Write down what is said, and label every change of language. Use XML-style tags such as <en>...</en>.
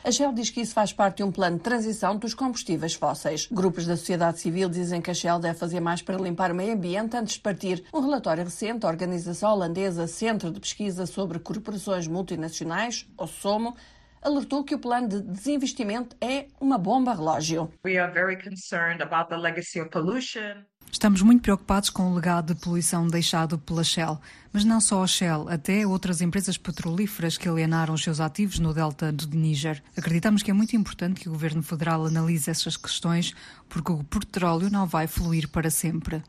<pt>A Shell diz que isso faz parte de um plano de transição dos combustíveis fósseis. Grupos da sociedade civil dizem que a Shell deve fazer mais para limpar o meio ambiente antes de partir. Um relatório recente da organização holandesa Centro de Pesquisa sobre Corporações Multinacionais, ou SOMO, alertou que o plano de desinvestimento é uma bomba relógio.</pt> <en>We are very concerned about the legacy of pollution.</en> <pt>Estamos muito preocupados com o legado de poluição deixado pela Shell. Mas não só a Shell, até outras empresas petrolíferas que alienaram os seus ativos no delta do Níger. Acreditamos que é muito importante que o Governo Federal analise essas questões, porque o petróleo não vai fluir para sempre.</pt>